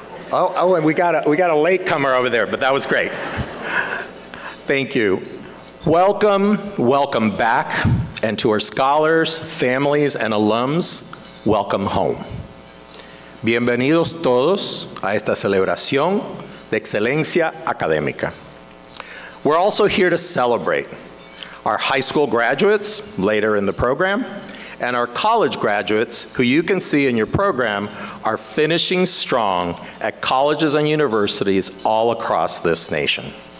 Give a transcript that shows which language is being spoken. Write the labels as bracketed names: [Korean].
[English] Oh, and we got a latecomer over there, but that was great. Thank you. Welcome back. And to our scholars, families, and alums, welcome home. [Spanish] Bienvenidos todos a esta celebración de excelencia académica. [English] We're also here to celebrate our high school graduates later in the program, and our college graduates, who you can see in your program, are finishing strong at colleges and universities all across this nation.